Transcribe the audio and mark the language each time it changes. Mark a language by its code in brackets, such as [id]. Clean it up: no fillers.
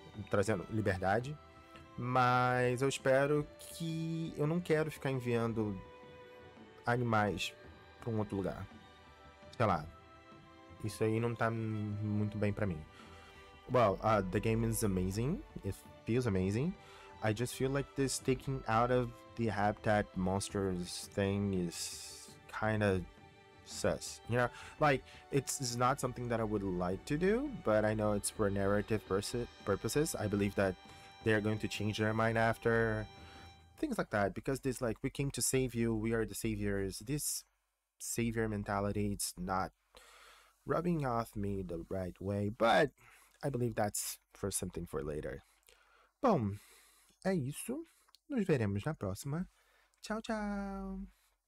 [pt] Trazendo liberdade. Mas eu espero que... eu não quero ficar enviando animais pra um outro lugar. Sei lá. Isso aí não tá muito bem pra mim. [en] Well, the game is amazing. It feels amazing. I just feel like this taking out of the habitat monsters thing is kind of sus. You know, like, it's not something that I would like to do, but I know it's for narrative purposes. I believe that they're going to change their mind after. Things like that, because this, like, we came to save you, we are the saviors. This savior mentality, it's not rubbing off me the right way, but I believe that's for something for later. [pt] Bom, é isso. Nos veremos na próxima. Tchau, tchau.